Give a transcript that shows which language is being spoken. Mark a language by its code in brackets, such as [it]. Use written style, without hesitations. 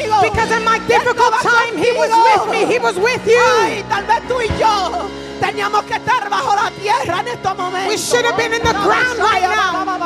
[en] Because in my difficult time, he was with me. He was with you. [es] Teníamos que estar bajo la tierra en estos momentos. [en] We should have been in the ground right now.